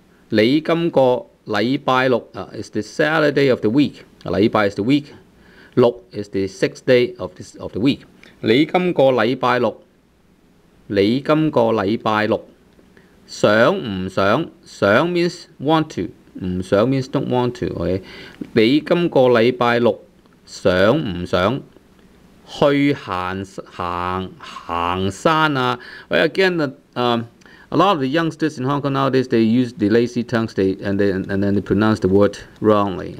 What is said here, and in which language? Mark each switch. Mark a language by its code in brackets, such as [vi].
[yue] 你今個禮拜六 [en] is the Saturday of the week. 禮拜 is the week. 六 is the sixth day of the week. [yue] 你今個禮拜六，你今個禮拜六。想唔想？ [en] 想 means want to， 唔想 means don't want to。 OK， [yue] 你今個禮拜六想唔想去行山啊 [en] ？Again, a lot of the youngsters in Hong Kong nowadays they use the lazy tongues, they pronounce the word wrongly.